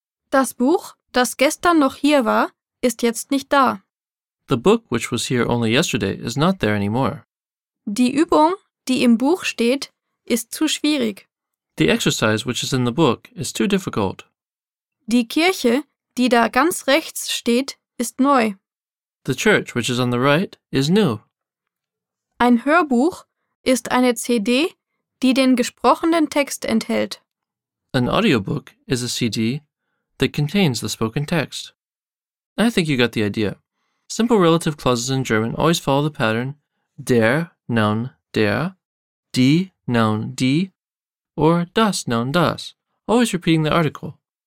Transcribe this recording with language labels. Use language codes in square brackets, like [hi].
[de] Das Buch, das gestern noch hier war, ist jetzt nicht da. [en] The book, which was here only yesterday, is not there anymore. [de] Die Übung, die im Buch steht, ist zu schwierig. [en] The exercise, which is in the book, is too difficult. [de] Die Kirche, die da ganz rechts steht, ist neu. [en] The church, which is on the right, is new. [de] Ein Hörbuch ist eine CD, die den gesprochenen Text enthält. [en] An audiobook is a CD that contains the spoken text. I think you got the idea. Simple relative clauses in German always follow the pattern der, noun, der, die, noun, die, or das, noun, das, always repeating the article.